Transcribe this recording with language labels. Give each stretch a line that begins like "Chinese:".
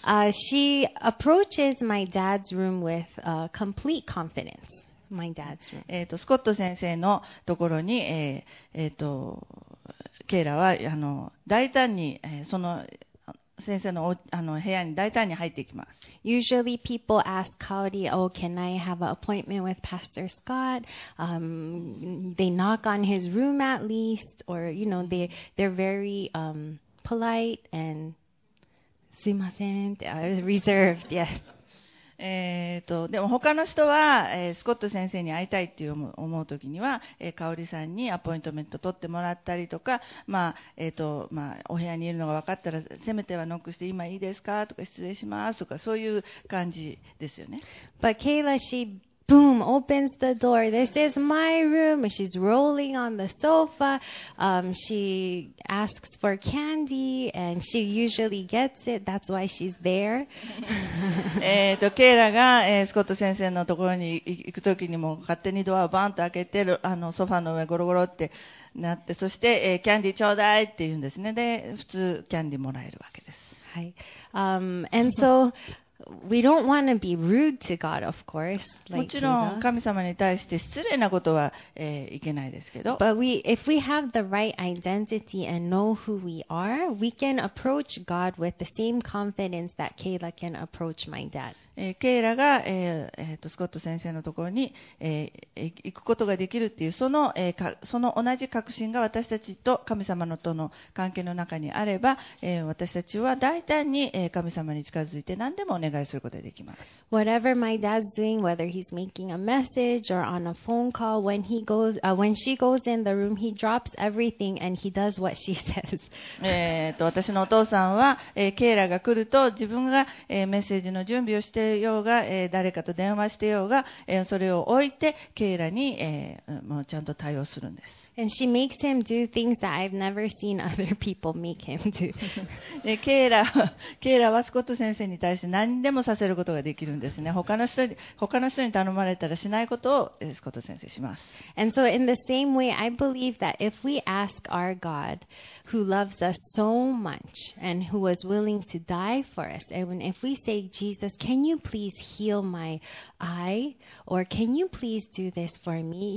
English: She approaches my dad's room with complete confidence. My dad's room.
Japanese: スコット先生のところに、ケイラは大胆に、その先生 の, 部屋に大胆に入っていきます。
English: Usually people ask Kaori, oh, can I have an appointment with Pastor Scott?、they knock on his room at least, or, you know, they're very、polite and
Japanese: すいませんって、
English: reserved, yes.
Japanese: でも他の人は、スコット先生に会いたいっていう思うときには、カオリさんにアポイントメント取ってもらったりとか、まあ、まあ、お部屋にいるのが分かったら、せめてはノックして、今いいですかとか、失礼しますとか、そういう感じですよね。
English: But Kayla, she boom, opens the door. This is my room. She's rolling on the sofa. She asks for candy and she usually gets it. That's why she's there.
Japanese: ケイラが、スコット先生のところに行くときにも勝手にドアをバンと開けて、ソファーの上ゴロゴロってなって、そして、キャンディーちょうだいって言うんですね。で、普通キャンディーもらえるわけです。はい。
English: And so, We don't want to be rude to God, of course.
Japanese: もちろん神様に対して失礼なことは、いけないですけど。
English: But we, if we have the right identity and know who we are, we can approach God with the same confidence that Kayla can approach my dad.
Japanese: ケイラが、スコット先生のところに、行くことができるっていうその、その同じ確信が私たちと神様のとの関係の中にあれば、私たちは大胆に、神様に近づいて何でもお願いすることができます。
English: Whatever my dad's doing, whether he's making a message or on a phone call, when he goes, when she goes in the room, he drops everything and he does what she says.
Japanese: 私のお父さんは、ケイラが来ると自分が、メッセージの準備をしてようが、誰かと電話してようが、それを置いてケイラに、もうちゃんと対応するんです。
English: And she makes him do things that I've never seen other people make him do.
Japanese: ケイラはスコット先生に対して何でもさせることができるんですね。他の人に頼まれたらしないことをスコット先生します。
English: And so in the same way, I believe that if we ask our God, who loves us so much and who was willing to die for us, and if we say, Jesus, can you please heal my eye? Or can you please do this for me?